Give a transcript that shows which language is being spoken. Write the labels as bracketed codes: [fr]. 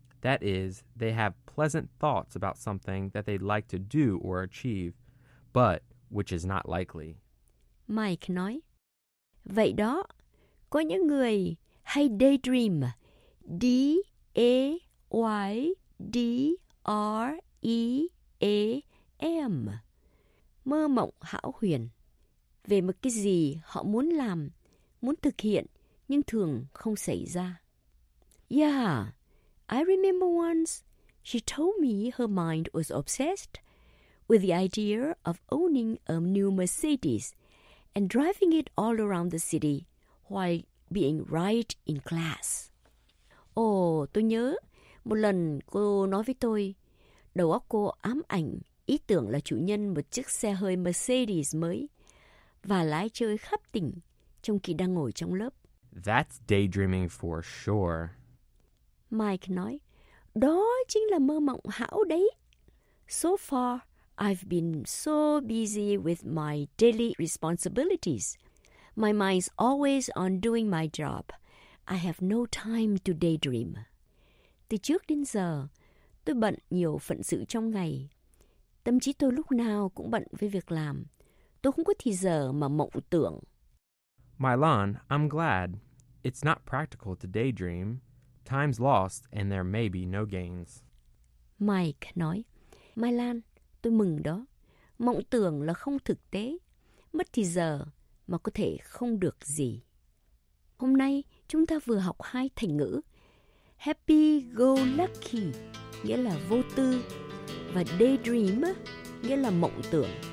[en] That is, they have pleasant thoughts about something that they'd like to do or achieve, but which is not likely. [vi] Mike nói, vậy đó, có những người hay daydream, D-A-Y-D-R-E-A-M, mơ mộng hão huyền về một cái gì họ muốn làm, muốn thực hiện, nhưng thường không xảy ra. [en] Yeah, I remember once she told me her mind was obsessed with the idea of owning a new Mercedes and driving it all around the city while being right in class. [vi] Tôi nhớ một lần cô nói với tôi, đầu óc cô ám ảnh ý tưởng là chủ nhân một chiếc xe hơi Mercedes mới và lái chơi khắp tỉnh trong khi đang ngồi trong lớp. [en] That's daydreaming for sure. [vi] Mike nói, đó chính là mơ mộng hão đấy. [en] So far, I've been so busy with my daily responsibilities. My mind's always on doing my job. I have no time to daydream. [vi] Từ trước đến giờ, tôi bận nhiều phận sự trong ngày. Tâm trí tôi lúc nào cũng bận với việc làm. Tôi không có thời giờ mà mộng tưởng. [en] Mylon, I'm glad. It's not practical to daydream. Time's lost and there may be no gains. [vi] Mike nói, Mylon, tôi mừng đó. Mộng tưởng là không thực tế. Mất thời giờ mà có thể không được gì. Hôm nay chúng ta vừa học hai thành ngữ happy go lucky nghĩa là vô tư và daydream nghĩa là mộng tưởng.